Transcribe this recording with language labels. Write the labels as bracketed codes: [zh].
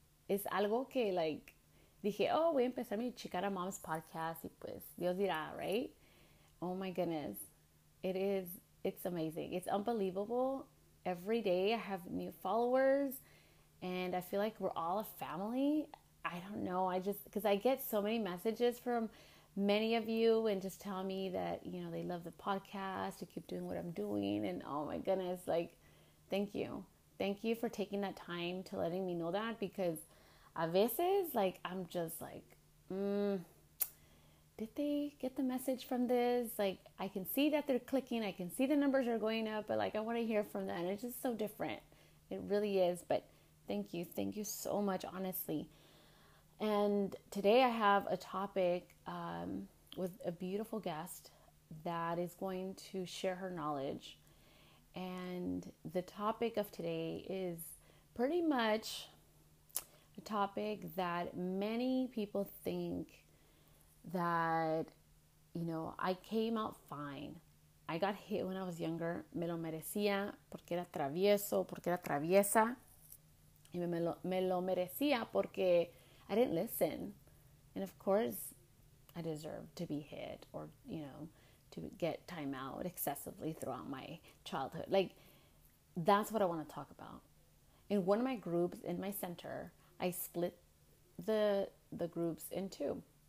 [es] Es algo que, like, dije, oh, voy a empezar mi Chicana Moms podcast y pues, Dios dirá, right? [en] Oh my goodness. It's amazing. It's unbelievable. Every day I have new followers and I feel like we're all a family. I don't know. Because I get so many messages from many of you and just tell me that, you know, they love the podcast, to keep doing what I'm doing. And oh my goodness, like, thank you. Thank you for taking that time to letting me know that, because [es] a veces, [en] like, I'm just like, did they get the message from this? Like, I can see that they're clicking. I can see the numbers are going up, but like, I want to hear from them. It's just so different. It really is. But thank you. Thank you so much, honestly. And today I have a topic with a beautiful guest that is going to share her knowledge. And the topic of today is pretty much a topic that many people think that, you know, I came out fine. I got hit when I was younger. [es] Me lo merecía porque era travieso, porque era traviesa. Y me lo merecía porque [en] I didn't listen. And of course, I deserved to be hit or, you know, to get time out excessively throughout my childhood. Like, that's what I want to talk about. In one of my groups in my center, I split the groups in two.